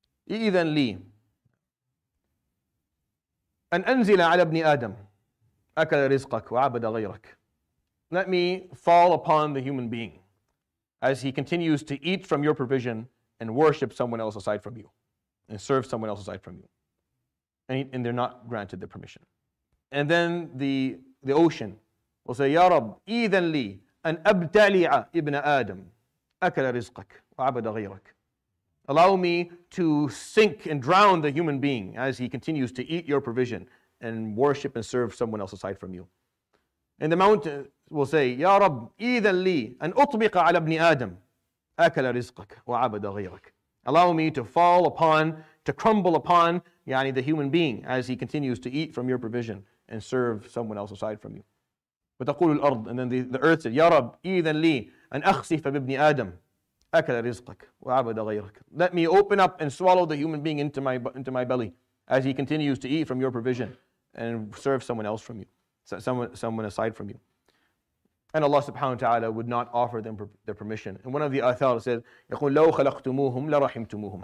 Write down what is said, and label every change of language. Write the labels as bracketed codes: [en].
[ar] إِذَن لِي أَنْ أَنزِلَ عَلَى ابْنِ آدَمْ أَكَلَ رِزْقَكْ وَعَبَدَ غَيْرَكْ. [en] Let me fall upon the human being as he continues to eat from your provision and worship someone else aside from you and serve someone else aside from you. And they're not granted the permission. And then the ocean will say, [ar] يَا رَبْ إِذَن لِي أَنْ أَبْتَلِعَ ابْنَ آدَمْ أَكَلَ رِزْقَكْ وَعَبَدَ غَيْرَكْ. [en] Allow me to sink and drown the human being as he continues to eat your provision and worship and serve someone else aside from you. And the mountain will say, [ar] يَا رَبْ إِذَن لِي أَنْ أُطْبِقَ عَلَى ابْنِ آدَمْ أَكَلَ رِزْقَكْ وَعَبَدَ غَيْرَكْ. [en] Allow me to fall upon, to crumble upon the human being as he continues to eat from your provision and serve someone else aside from you. [ar] وَتَقُولُ الْأَرْضِ. [en] And then the earth said, [ar] يَا رَبْ إِذَن لِي أَنْ أَخْسِفَ بِابْنِ آدَمْ أَكَلَ رِزْقَكْ وَعَبَدَ غَيْرَكْ. [en] Let me open up and swallow the human being into my belly as he continues to eat from your provision and serve someone else from you, someone aside from you. And Allah subhanahu wa ta'ala would not offer them their permission. And one of the athar said, [ar] يَقُولُ لَوْ خَلَقْتُمُوهُمْ لَرَحِمْتُمُوهُمْ.